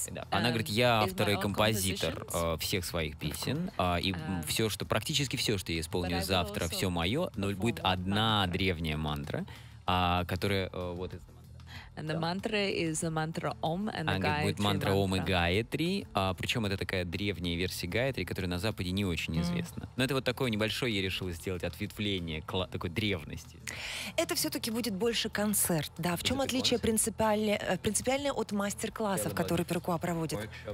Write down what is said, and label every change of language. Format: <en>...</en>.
<ru>Она говорит, я автор и композитор всех своих песен, и все, что, практически все, что я исполню завтра, все мое, но будет одна древняя мантра, которая... вот.</ru> <en>And the mantra is the mantra Om and the</en> <ru>Gayatri. Будет мантра Ом и Гаятри, причем это такая древняя версия Гаятри, которая на Западе не очень известна. Но это вот такое небольшое, я решила сделать ответвление такой древности. Это все-таки будет больше концерт, да? В чем отличие принципиальное от мастер-классов, которые Перекуа проводит?</ru>